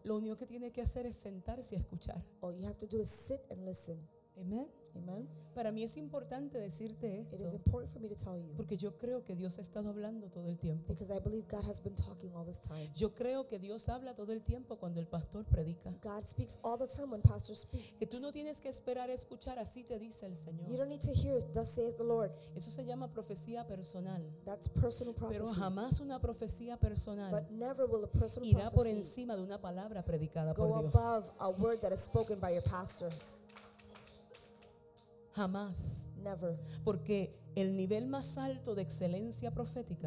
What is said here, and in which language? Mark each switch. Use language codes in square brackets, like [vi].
[es] lo único que tiene que hacer es sentarse a escuchar. [en] All you have to do is sit and listen. [es] Amen. [en] Amen. [es] Para mí es importante decirte esto. [en] It is important for me to tell you. [es] Porque yo creo que Dios ha estado hablando todo el tiempo. [en] Because I believe God has been talking all this time. [es] Yo creo que Dios habla todo el tiempo cuando el pastor predica. [en] God speaks all the time when pastors speak. [es] Que tú no tienes que esperar a escuchar, así te dice el Señor. [en] You don't need to hear, thus saith the Lord. [es] Eso se llama profecía personal. [en] That's personal prophecy. [es] Pero jamás una profecía personal, [en] but never will a personal [es] irá por encima de una palabra predicada [en] go [es] por Dios. [en] Above a word that is spoken by your pastor. [es] Jamás. [en] Never. [es] Porque el nivel más alto de excelencia profética,